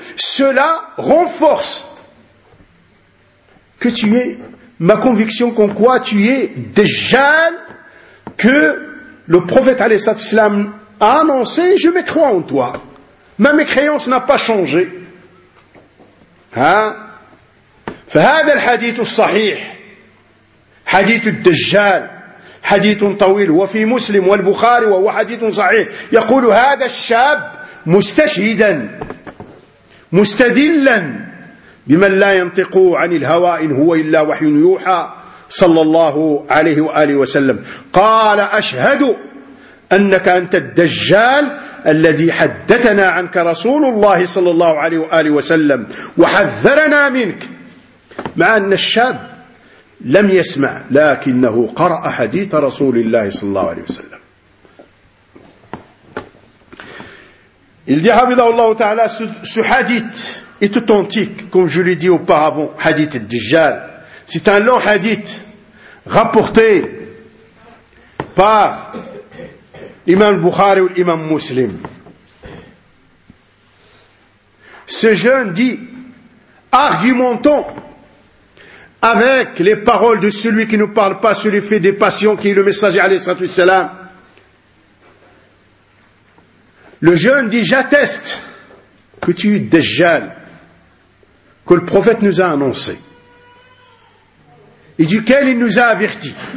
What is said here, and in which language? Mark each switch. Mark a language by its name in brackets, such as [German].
[French] Cela renforce que tu es ma conviction qu'en quoi tu es déjà que le prophète alayhi salam a annoncé, je me crois en toi. Ma mécréance n'a pas changé. Hein? [Arabic] فهذا الحديث الصحيح حديث الدجال حديث طويل وفي مسلم والبخاري وهو حديث صحيح يقول هذا الشاب مستشهدا مستدلا بمن لا ينطق عن الهوى إن هو إلا وحي يوحى صلى الله عليه وآله وسلم قال أشهد أنك أنت الدجال الذي حدثنا عنك رسول الله صلى الله عليه وآله وسلم وحذرنا منك مع أن الشاب لم يسمع لكنه قرأ حديث رسول الله صلى الله عليه وسلم [French] Il dit [Arabic] حفظه الله تعالى [French] ce hadith est authentique comme je l'ai dit auparavant hadith al-Dajjal c'est un long hadith rapporté par Imam Bukhari ou Imam Muslim. Ce jeune dit, argumentons avec les paroles de celui qui ne parle pas sur les faits des passions qui est le messager alayhi salam. Le jeune dit, j'atteste que tu es Dajjal, que le prophète nous a annoncé, et duquel il nous a avertis.